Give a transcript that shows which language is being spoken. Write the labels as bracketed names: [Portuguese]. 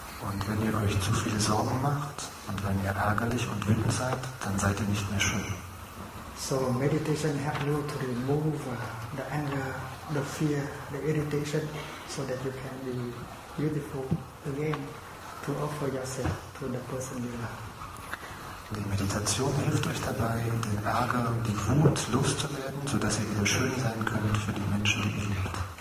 [German] Und wenn ihr euch zu viele Sorgen macht und wenn ihr ärgerlich und wütend seid, dann seid ihr nicht mehr schön. [English] So meditation helps you to remove the anger, the fear, the irritation, so that you can be beautiful again to offer yourself to the person you love. [German] Die Meditation hilft euch dabei, den Ärger, die Wut loszuwerden, sodass ihr wieder schön sein könnt für die Menschen, die ihr liebt.